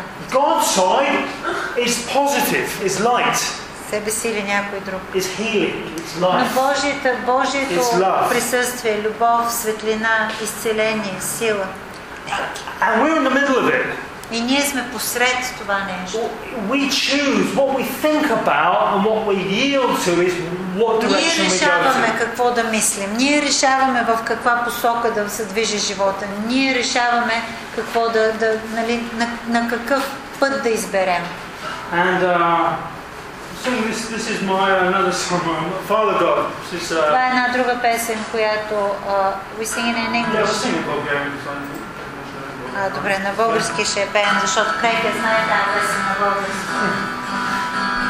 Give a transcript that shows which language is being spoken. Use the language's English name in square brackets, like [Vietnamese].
[English] God's side is positive, is light. [Bulgarian] себе си или някой друг. [English] It's healing, it's life. [Bulgarian] Но Божието присъствие, любов, светлина, изцеление, сила. [English] And we're in the middle of it. [Bulgarian] И ние сме посред това нещо. [English] We choose what we think about and what we yield to is what direction we go to. [Bulgarian] Ние решаваме какво да мислим. Ние решаваме в каква посока да се движи живота. Ние решаваме какво да нали, на какъв път да изберем. [English] And so this is my another song, Father God. This is, [Bulgarian] това е една друга песен, която [English] we sing in English. Yeah, we'll sing it again. [Bulgarian] Добре, на български ще пеем, защото Крейка знае тази песен на български.